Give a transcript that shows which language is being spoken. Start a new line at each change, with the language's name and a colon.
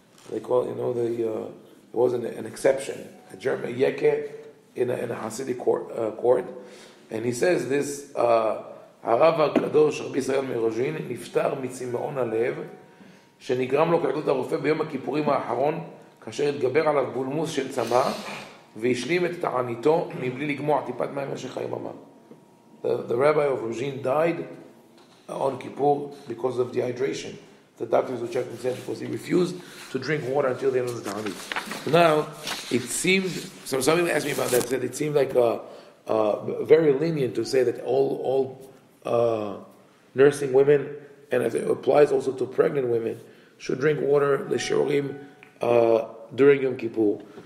English: They call, you know, it was an exception, a German yeke in a Hasidic court.
Hebrew: And he says this, הרב הקדוש רבי ישראל מרוז'ין נפטר מצמאון הלב שנגרם לו כעדות הרופא ביום הכיפורים האחרון כאשר התגבר עליו בולמוס של צמא והשלים את תעניתו מבלי לגמוע טיפת מים משך היממה.
English: The rabbi of Rujin died on Kippur because of dehydration. The doctors were checking him because he refused to drink water until the end of the ta'anit. Now, it seemed, so some people asked me about that, said it seemed like very lenient to say that all nursing women, and as it applies also to pregnant women, should drink water, le'shorim, during Yom Kippur.